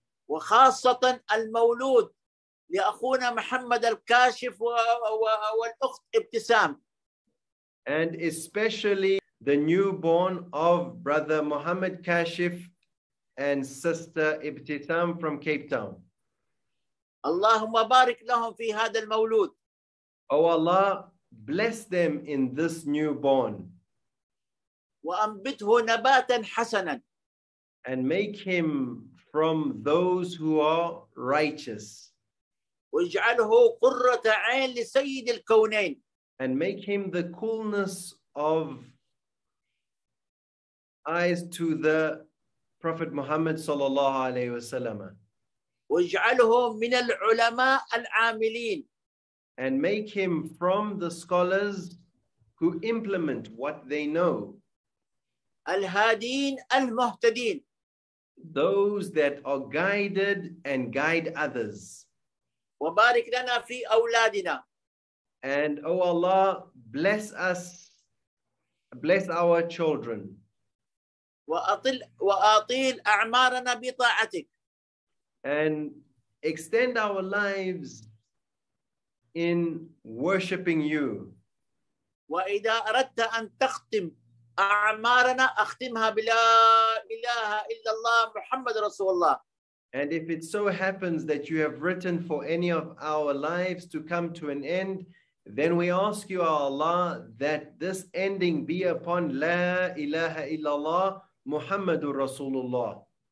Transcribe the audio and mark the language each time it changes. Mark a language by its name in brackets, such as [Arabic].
[Arabic] وخاصة المولود لأخونا محمد الكاشف والأخت ابتسام. [English] And especially the newborn of brother Muhammad Kashif and Sister Ibtitham from Cape Town. [Arabic] Allahumma barik lahum fi hadha al-mawlud. [English] Oh Allah, bless them in this newborn. [Arabic] Wa anbithu nabatan hasanan. [English] And make him from those who are righteous. [Arabic] واجعله قرة عين لسيد الكونين. [English] And make him the coolness of eyes to the Prophet Muhammad sallallahu alayhi wa sallam. [Arabic] واجعله من العلماء العاملين. [English] And make him from the scholars who implement what they know. [Arabic] الهادين المهتدين. [English] Those that are guided and guide others. [Arabic] وبارك لنا في أولادنا. [English] And O Allah, bless us, bless our children. [Arabic] وأطيل أعمارنا بطاعتك. [English] And extend our lives in worshiping you. [Arabic] وإذا أردت أن تختم أعمارنا أختمها بلا إله إلا الله محمد رسول الله. [English] And if it so happens that you have written for any of our lives to come to an end, then we ask you, Allah, that this ending be upon [Arabic] La ilaha illallah Muhammadur Rasulullah.